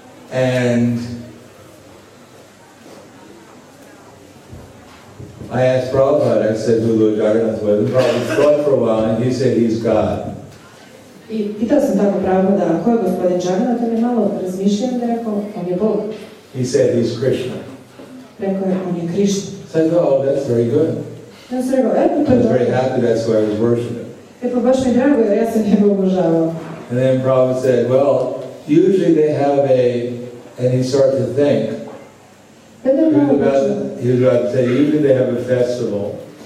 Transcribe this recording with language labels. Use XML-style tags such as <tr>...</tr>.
<en>And I asked Prabhupada, I said, who Lord Jagannath was, and Prabhupada thought for a while, and he said, he's God.</en> <sr>I pitao sam tako Prabhupada, a ko je gospodin Jagannath, on je malo razmišljen, da rekao, on je Bog.</sr> <en>He said, he's Krishna.</en> <sr>Rekao je, on je Krishna.</sr> <en>So I thought, oh, that's very good.</en> <sr>Ja sam rekao, eto to je dobro.</sr> <en>I was very happy, that's why I was worshiping.</en> <sr>Epo, baš mi je drago, jer ja sam njega obožavao.</sr> <en>And then Prabhupada said, well, usually they have a, and he started to think, He was about to say, even they have a festival</en>